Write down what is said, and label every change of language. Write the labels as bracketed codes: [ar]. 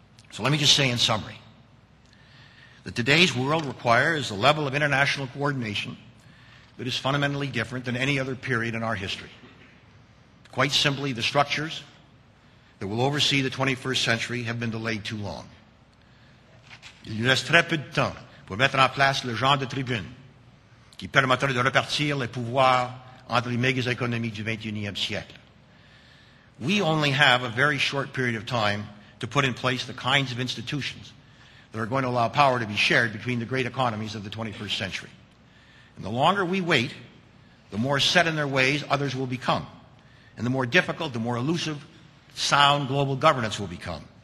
[en] So let me just say in summary that today's world requires a level of international coordination that is fundamentally different than any other period in our history. Quite simply, the structures that will oversee the 21st century have been delayed too long. [fr] Il nous reste très peu de temps pour mettre en place le genre de tribune qui permettra de répartir les pouvoirs entre les méga économies du 21e siècle. [en] We only have a very short period of time to put in place the kinds of institutions that are going to allow power to be shared between the great economies of the 21st century. And the longer we wait, the more set in their ways others will become. And the more difficult, the more elusive, sound global governance will become.